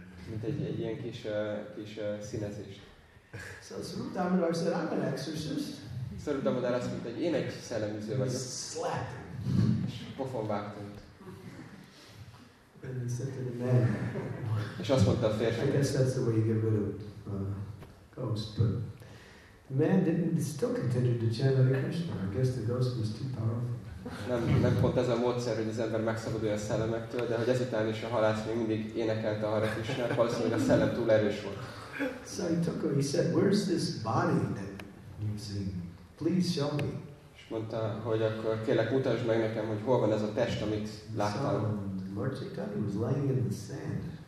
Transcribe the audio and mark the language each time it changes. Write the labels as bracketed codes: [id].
[hu] Mint egy ilyen kis színezés. [en] So Sarudamadar said, I'm an exorcist. [hu] Sarudamadar azt mondta, hogy én egy szellemüző vagyok. [en] Slap. [hu] És pofon vágtam. [en] And he said to the man, [hu] és azt mondta a férfi, [en] I guess that's the way you get rid of ghosts. But the man still continued to chant Hare Krishna. I guess the ghost was too powerful. [hu] Nem pont ez a módszer, hogy az ember megszabadulja a szellemektől, de hogy ezután is a halász még mindig énekelte a Hare Krishna, valószínűleg a szellem túl erős volt. [en] So he said, where's this body that you've seen? Please show me. [hu] És mondta, hogy akkor kérlek mutasd meg nekem, hogy hol van ez a test, amit láttál. [en] Lord Chaitanya was lying in the sand.